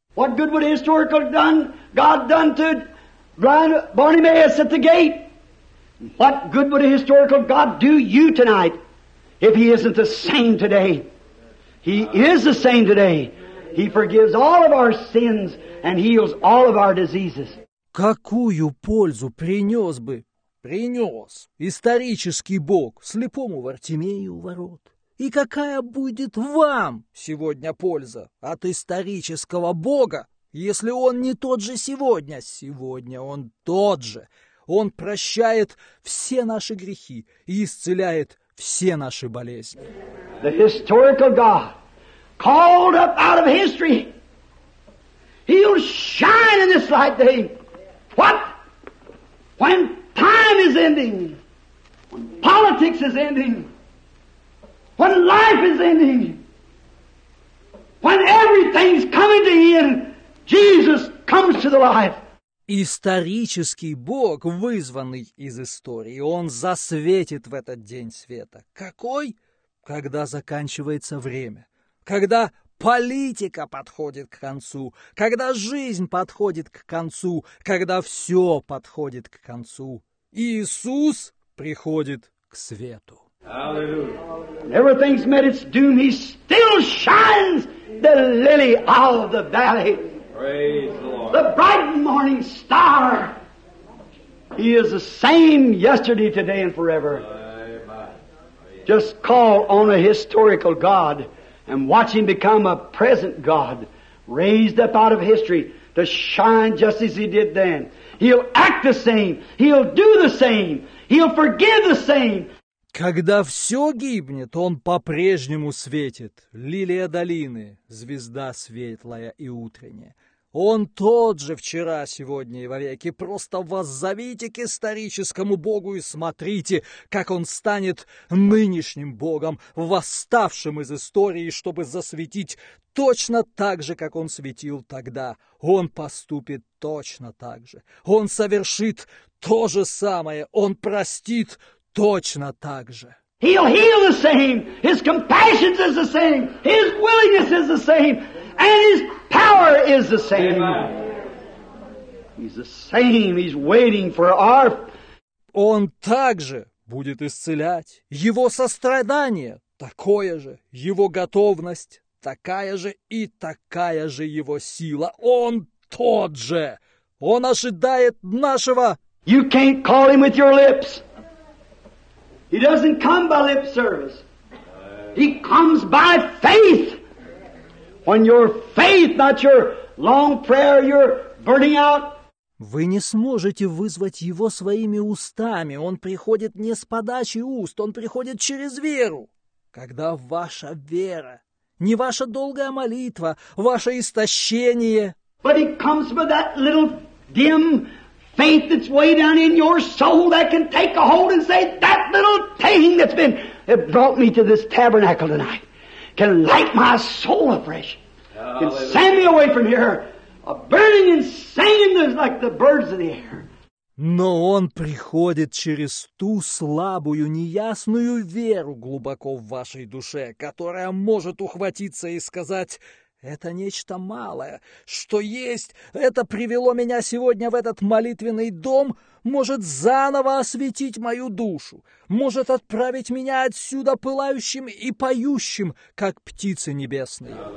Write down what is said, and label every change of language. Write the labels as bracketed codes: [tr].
[en] What good would historical God done to blind Bartimaeus at the gate? What good would a historical God do you tonight if he isn't the same today? He is the same today. He forgives all of our sins and heals all of our diseases. [ru] Какую пользу принес бы, принес исторический Бог слепому Вартимею ворот? И какая будет вам сегодня польза от исторического Бога, если он не тот же сегодня? Сегодня он тот же. Он прощает все наши грехи и исцеляет все наши болезни. [en] The historical God, called up out of history, he'll shine in this light day. What? When time is ending, when politics is ending, when life is ending, when everything's coming to end, Jesus comes to the light. [ru] Исторический Бог, вызванный из истории, он засветит в этот день света. Какой? Когда заканчивается время. Когда политика подходит к концу. Когда жизнь подходит к концу. Когда все подходит к концу. Иисус приходит к свету. [en] Hallelujah. Everything's met its doom. He still shines the lily of the valley. Praise the Lord. The bright morning star. He is the same yesterday, today, and forever. Amen. Just call on a historical God and watch him become a present God, raised up out of history to shine just as he did then. He'll act the same. He'll do the same. He'll forgive the same. [ru] Когда все гибнет, он по-прежнему светит. Лилия долины, звезда светлая и утренняя. Он тот же вчера, сегодня и вовеки. Просто воззовите к историческому Богу и смотрите, как он станет нынешним Богом, восставшим из истории, чтобы засветить точно так же, как он светил тогда. Он поступит точно так же. Он совершит то же самое. Он простит точно так же. [en] He'll heal the same. His compassion is the same. His willingness is the same. And his power is the same. Amen. He's the same. He's waiting for our... [ru] Он также будет исцелять. Его сострадание такое же. Его готовность такая же. И такая же его сила. Он тот же. Он ожидает нашего... [en] You can't call him with your lips. He doesn't come by lip service. He comes by faith. When your faith, not your long prayer, you're burning out. [ru] Вы не сможете вызвать его своими устами. Он приходит не с подачи уст, он приходит через веру. Когда ваша вера, не ваша долгая молитва, ваше истощение. [en] But it comes by that little dim faith that's way down in your soul that can take a hold and say, that little thing that's been, it brought me to this tabernacle tonight. Can light my soul afresh. Hallelujah. Can send me away from here, a burning and singing like the birds in the air. [ru] Но он приходит через ту слабую, неясную веру глубоко в вашей душе, которая может ухватиться и сказать, это нечто малое, что есть, это привело меня сегодня в этот молитвенный дом, может заново осветить мою душу, может отправить меня отсюда пылающим и поющим, как птицы небесные.